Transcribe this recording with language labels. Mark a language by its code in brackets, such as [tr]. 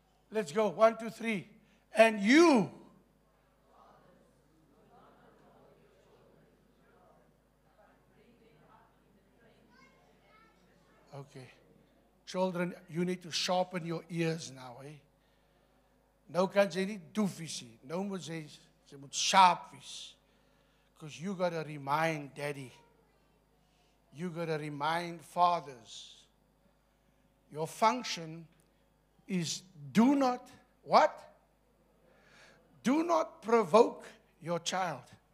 [en] Let's go. 1, 2, 3. And you. Okay. Children, you need to sharpen your ears now, eh? [af] No kan jy nie doofies nie. No moet jy, jy moet sharp wees. [en] Because you got to remind daddy. You got to remind fathers. Your function is do not, what? Do not provoke your child.